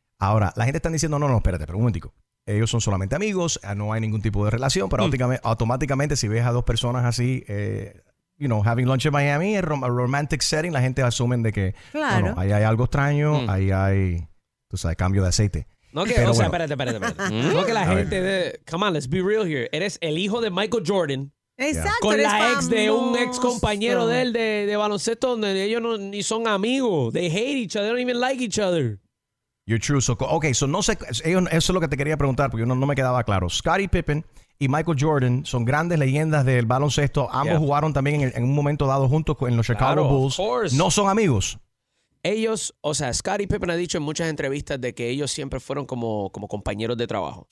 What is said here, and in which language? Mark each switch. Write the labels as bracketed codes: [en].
[es] Ahora, la gente está diciendo, no, espérate, pero un momentico. Ellos son solamente amigos, no hay ningún tipo de relación, pero automáticamente si ves a dos personas así, [en] having lunch in Miami, a romantic setting, [es] la gente asume de que ahí hay algo extraño, ahí hay, tú sabes, cambio de aceite. No que, pero o sea, bueno. espérate. No que la gente de... [en] Come on, let's be real here. [es] Eres el hijo de Michael Jordan. Exacto. Con la ex famoso. De un ex compañero de él de baloncesto donde ellos no, ni son amigos. [en] They hate each other. They don't even like each other. You're true. So [es] no sé... Eso es lo que te quería preguntar porque no me quedaba claro. Scottie Pippen y Michael Jordan son grandes leyendas del baloncesto. Ambos jugaron también en un momento dado juntos en los Chicago Bulls. [en] Of course. [es] No son amigos. Ellos, o sea, Scottie Pippen ha dicho en muchas entrevistas de que ellos siempre fueron como compañeros de trabajo.